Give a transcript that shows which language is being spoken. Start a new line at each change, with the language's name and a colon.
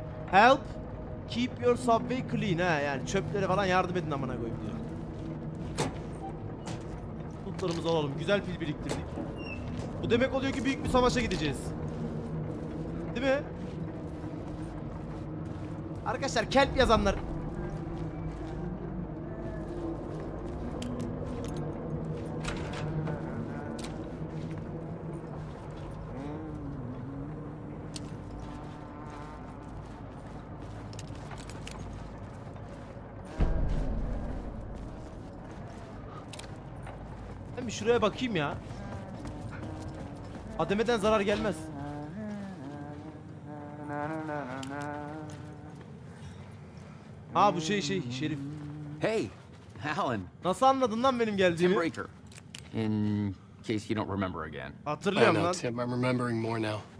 English: Help keep your subway clean.
Turkish: Ha yani çöplere falan yardım edin amına koyayım diyor. Tutlarımız alalım. Güzel pil biriktirdik. Bu demek oluyor ki büyük bir savaşa gideceğiz. Değil mi? Arkadaşlar help yazanlar. Şuraya bakayım ya. Ademe'den zarar gelmez. Ha bu şey Şerif.
English: Hey, Alan.
Turkish: Nasıl anladın lan benim geldiğimi?
English: Tim Raker. In case you don't remember again.
Turkish: Hatırlıyorum lan.
English: Tim, I'm remembering more now.